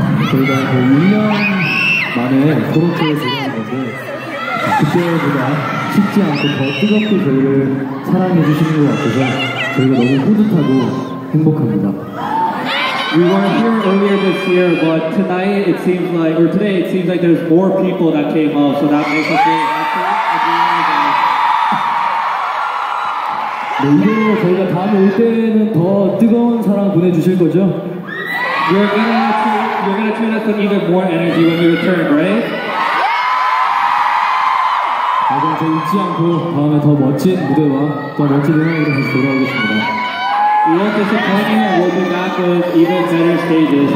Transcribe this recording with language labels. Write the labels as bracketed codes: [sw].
[ko] 저희가 1년 만에 토론토에 들어왔는데 그때보다 쉽지 않고 더 뜨겁게 저희를 사랑해 주시는 것 같아서 저희가 너무 뿌듯하고 행복합니다. [en] We weren't here earlier this year, but tonight it seems like, or today it seems like there's more people that came up, so that makes us really happy. [ko] 이제 저희가 다음에 올 때는 더 뜨거운 사랑 보내주실 거죠? [en] You're gonna tune us with even more energy when we return, right? [ko] 맞아요, 저 잊지 않고 다음에 더 멋진 무대와 더 멋진 음악으로 다시 돌아오겠습니다. [en] We won't disappoint you, and we'll be back with even better stages.